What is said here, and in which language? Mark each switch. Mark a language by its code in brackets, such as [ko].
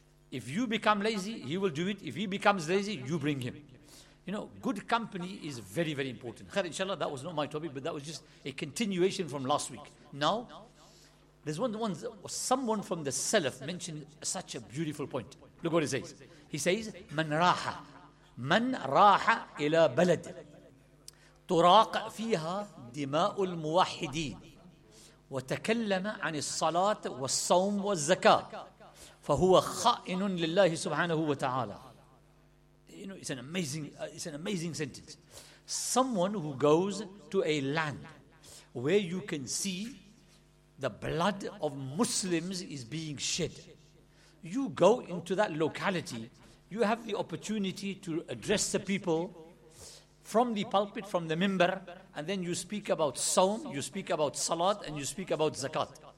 [en] If you become lazy, he will do it. If he becomes lazy, you bring him. You know, good company is very, very important. Khair, inshallah, that was not my topic, but that was just a continuation from last week. Now, there's one, someone from the Salaf mentioned such a beautiful point. Look what he says. He says, [ar] من راحة إلى بلد تراق فيها دماء الموحدين وتكلم عن الصلاة والصوم والزكاة فهو خائن لله سبحانه وتعالى. [en] You know, it's an amazing sentence. Someone who goes to a land where you can see the blood of Muslims is being shed. You go into that locality, you have the opportunity to address the people from the pulpit, from the minbar, and then you speak about sawm, you speak about salat, and you speak about zakat.